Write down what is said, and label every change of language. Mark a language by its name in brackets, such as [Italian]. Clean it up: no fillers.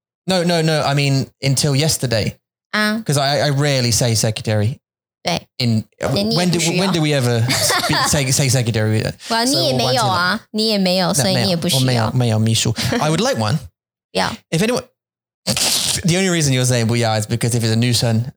[English] No, I mean, until yesterday, because I rarely say secretary. [Chinese] 对, [English] when do we ever speak, say secretary? Well, [Chinese] 你也没有啊,你也没有,所以你也不需要。我没有秘书。 [English] I would like one. Yeah. If anyone, the only reason you're saying [Chinese] 不要 [English] is because if it's a 女生,